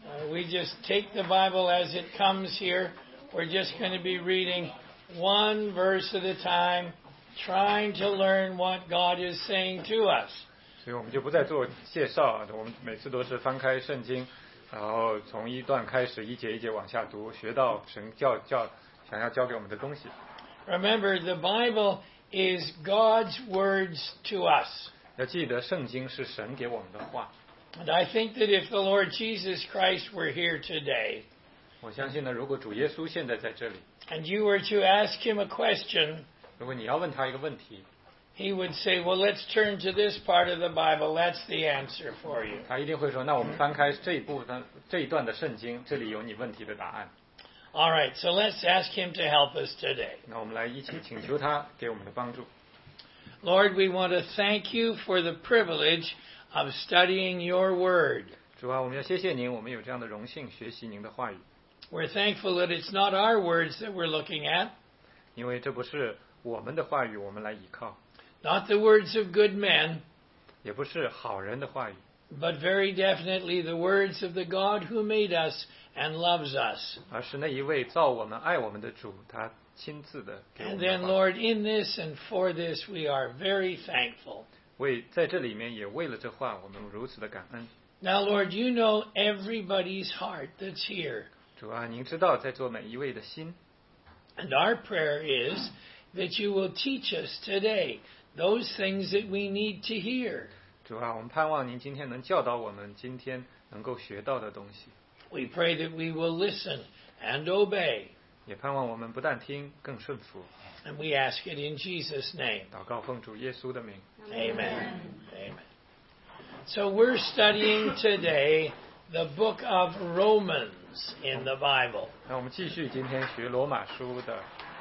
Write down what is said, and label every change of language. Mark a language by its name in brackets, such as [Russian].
[English] We just take the Bible as it comes here. We're just going to be reading one verse at a time, trying to learn what God is saying to us. [Chinese] 所以我们就不再做介绍，我们每次都是翻开圣经，然后从一段开始，一节一节往下读，学到神想要教给我们的东西。 [English] Remember, the Bible is God's words to us. [Chinese] 要记得圣经是神给我们的话。 [English] And I think that if the Lord Jesus Christ were here today, [Chinese] 我相信呢，如果主耶稣现在在这里 [English] ，and you were to ask him a question, [Chinese] 如果你要问他一个问题。 [English] He would say, well, let's turn to this part of the Bible. That's the answer for you. [Chinese] 他一定会说，那我们翻开这一部分，这一段的圣经，这里有你问题的答案。 [English] All right, so let's ask him to help us today. [Chinese] 那我们来一起请求他给我们的帮助。 [English] Lord, we want to thank you for the privilege of studying your word. [Chinese] 主啊，我们要谢谢您，我们有这样的荣幸学习您的话语。 [English] We're thankful that it's not our words that we're looking at. [Chinese] 因为这不是我们的话语，我们来依靠。 [English] Not the words of good men, [Chinese] 也不是好人的话语, [English] but very definitely the words of the God who made us and loves us. [Chinese] 而是那一位造我们、爱我们的主，他亲自的给我们的话语。 [English] And then, Lord, in this and for this, we are very thankful. [Chinese] 为在这里面也为了这话，我们如此的感恩。 [English] Now, Lord, you know everybody's heart that's here. [Chinese] 主啊，您知道在座每一位的心。 [English] And our prayer is. That you will teach us today those things that we need to hear. [Chinese] 主啊，我们盼望您今天能教导我们今天能够学到的东西。 [English] We pray that we will listen and obey. [Chinese] 也盼望我们不但听，更顺服。 [English] And we ask it in Jesus' name. [Chinese] 祷告奉主耶稣的名。 [English] Amen. Amen. So we're studying today the book of Romans in the Bible. [Chinese] 那我们继续今天学罗马书的。